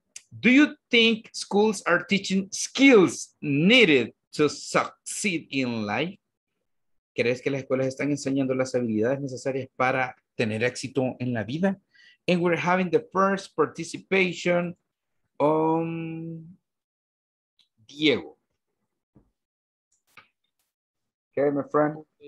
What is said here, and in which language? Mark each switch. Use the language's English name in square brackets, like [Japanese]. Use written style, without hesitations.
[English] Do you think schools are teaching skills needed to succeed in life? [Spanish] ¿Crees que las escuelas están enseñando las habilidades necesarias para tener éxito en la vida? [English] And we're having the first participation on Diego. Okay, my friend.